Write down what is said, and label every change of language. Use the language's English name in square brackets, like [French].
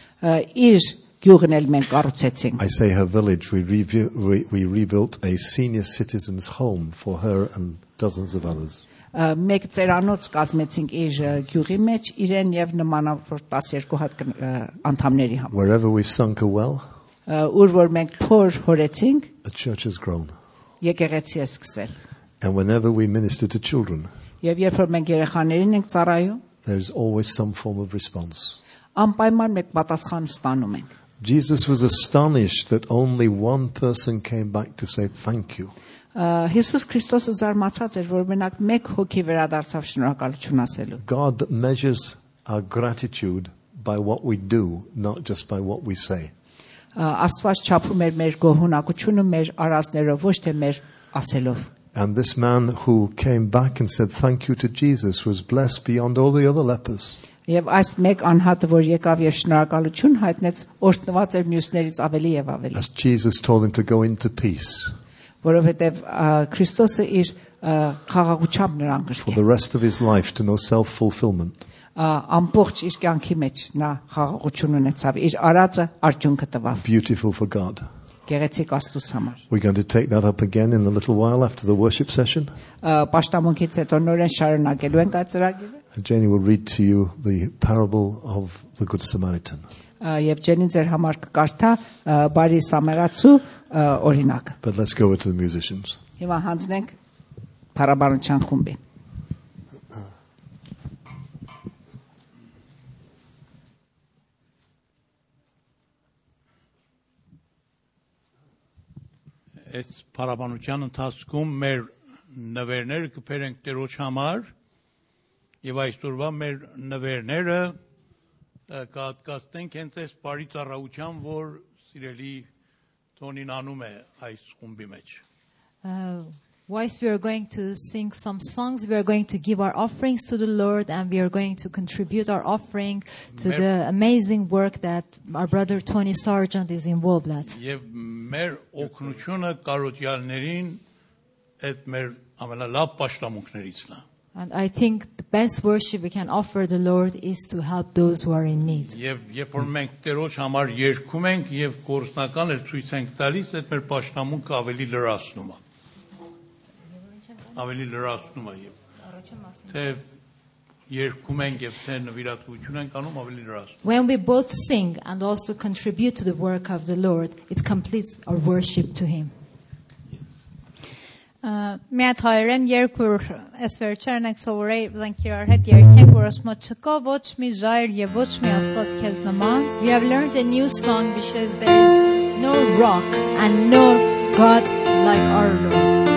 [Armenian] Իր գյուղն էլ մենք կառուցեցինք։ [English] I say her village, we rebuilt a senior citizen's home for her and dozens of others. [Armenian] Մեկ ծերանոց կազմեցինք իր գյուղի մեջ իրեն եւ նմանավոր 12 հատ անդամների համար։ [English] Wherever we've sunk a well, [Armenian] ուր որ մենք փոր հորեցինք, [English] a church has grown. [Armenian] Եկեղեցի է սկսել։ [English] And whenever we minister to children, [Armenian] Եվ երբ որ մենք երեխաներին ենք ծառայում, [English] there is always some form of response. [Armenian] Անպայման մեկ պատասխան ստանում ենք. [English] Jesus was astonished that only one person came back to say thank you. [Armenian] Հիսուս Քրիստոսը զարմացած էր, որ մենակ մեկ հոգի վերադարձավ շնորհակալություն ասելու։ [English] God measures our gratitude by what we do, not just by what we say. [Armenian] Աստված չափում էր մեր գոհունակությունը մեր արածներով ոչ թե մեր ասելով. [English] And this man who came back and said thank you to Jesus was blessed beyond all the other lepers. [Armenian] Եվ այս մեկ անհատը որ եկավ եւ շնորհակալություն հայտնեց, օրհնված էր մյուսներից ավելի եւ ավելի. [English] As Jesus told him to go into peace. [Armenian] Որովհետեւ Քրիստոսը իր խաղաղությամբ նրան գրկեց. [English] For the rest of his life to know self fulfillment. [Armenian] Ամբողջ իր կյանքի մեջ նա խաղաղություն ունեցավ, իր արածը արդյունքը տվավ. [English] Beautiful for God. [Armenian] Գեղեցիկ Աստծո համար. [English] We're going to take that up again in a little while after the worship session. [Armenian] Պաշտամունքից հետո նորեն շարունակելու ենք այս ծրագիրը. [English] Jenny will read to you the parable of the Good Samaritan. [Armenian] Եվ Jenny-ն ձեր համար կկարդա բարի սամարացու օրինակը. [English] But let's go to the musicians. [Armenian] Հիմա հանձնենք փառաբանության խումբին. Այս փառաբանության ընթացքում մեր նվերները կփերենք Տերոջ համար եւ այսօրվա մեր նվերները կհատկացնենք հենց այս բարի ծառայության, որ սիրելի Թոնին անում է այս խումբի մեջ։ [English] Whilst we are going to sing some songs, we are going to give our offerings to the Lord, and we are going to contribute our offering to the amazing work that our brother Tony Sargent is involved at. [Armenian] Եվ մեր օգնությունը կարոտյալներին այդ մեր ամենալավ պաշտամունքներիցն է. [English] And I think the best worship we can offer the Lord is to help those who are in need. [Armenian] Եվ երբ որ մենք Տերոջ համար երգում ենք եւ կորսնական էլ ցույց ենք տալիս, այդ մեր պաշտամունքը ավելի լրացնում է։ Ավելի լրացնում է եւ թե երգում ենք եւ թե նվիրատվություն ենք անում ավելի լրացնում։ [English] When we both sing and also contribute to the work of the Lord, it completes our worship to him. [Armenian] Մի հատ հայերեն երգուր ես վերջերն եք սովորել, ուզենք իրար հետ երգենք, որ ասում ենք չկա ոչ մի ժայր եւ ոչ մի աստված քեզ նման. [English] We have learned a new song which says there is no rock and no god like our Lord.